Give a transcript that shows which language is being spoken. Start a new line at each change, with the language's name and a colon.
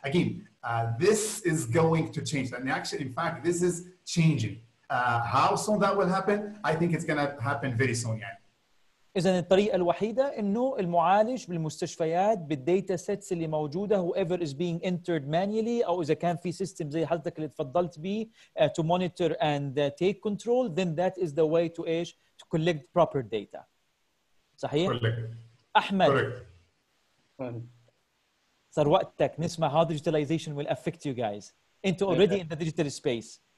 English: Again, this is going to change. And actually, in fact, this is changing. How soon that will happen? I think it's going to happen very soon.
Arabic: يعني. إذن الطريقة الوحيدة إنه المعالج بالمستشفيات بالديتا سيتس اللي موجودة
English: whoever is being entered manually
Arabic: أو إذا كان في سيستم زي حضرتك اللي تفضلت به
English: to monitor and take control, then that is the way to
Arabic: ايش
English: to collect proper data.
Arabic: صحيح؟
English: correct. أحمد. correct.
Arabic: صار وقتك نسمع
English: how digitalization will affect you guys.
Arabic: أنتوا
English: already in the digital space.